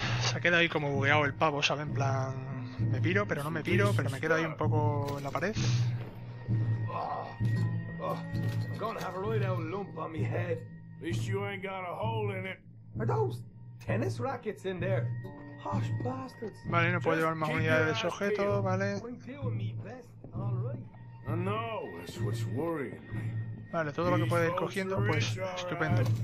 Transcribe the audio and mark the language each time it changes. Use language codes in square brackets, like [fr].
[es] Se ha quedado ahí como bugueado el pavo, ¿sabes? En plan, me piro, pero no me piro, pero me quedo ahí un poco en la pared. [en] I'm gonna have a right old lump on my head. At least you ain't got a hole in it. Are those tennis rackets in there? Hush, bastards. [es] Vale, no puedo llevar más unidades de sujeto, ¿vale? Vale, todo lo que puede ir cogiendo, pues estupendo.